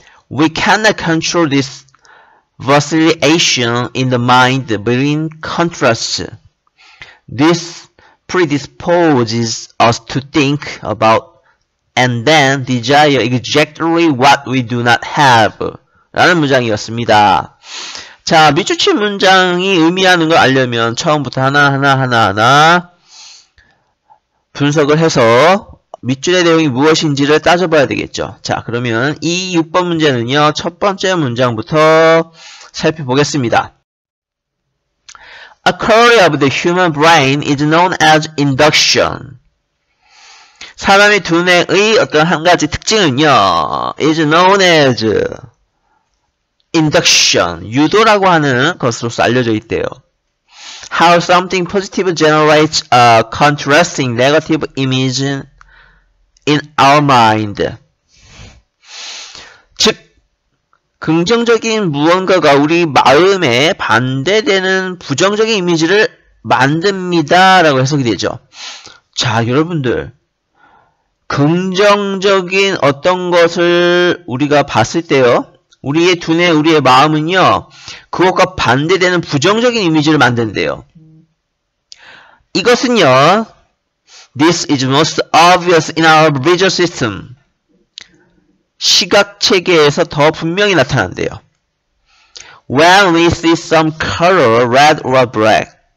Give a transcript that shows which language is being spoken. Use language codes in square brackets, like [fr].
[en] We cannot control this vacillation in the mind between contrasts. This predisposes us to think about and then desire exactly what we do not have. [ko] 라는 문장이었습니다. 자, 미추친 문장이 의미하는 걸 알려면 처음부터 하나하나하나하나 분석을 해서 밑줄의 내용이 무엇인지를 따져봐야 되겠죠. 자, 그러면 이 6번 문제는요, 첫 번째 문장부터 살펴보겠습니다. [en] A quality of the human brain is known as induction. [ko] 사람의 두뇌의 어떤 한 가지 특징은요, [en] is known as induction, [ko] 유도라고 하는 것으로서 알려져 있대요. [en] How something positive generates a contrasting negative image in our mind. [ko] 긍정적인 무언가가 우리 마음에 반대되는 부정적인 이미지를 만듭니다라고 해석이 되죠. 자, 여러분들. 긍정적인 어떤 것을 우리가 봤을 때요. 우리의 두뇌, 우리의 마음은요, 그것과 반대되는 부정적인 이미지를 만든대요. 이것은요, [en] This is most obvious in our visual system. [ko] 시각 체계에서 더 분명히 나타난대요. [en] When we see some color, red or black.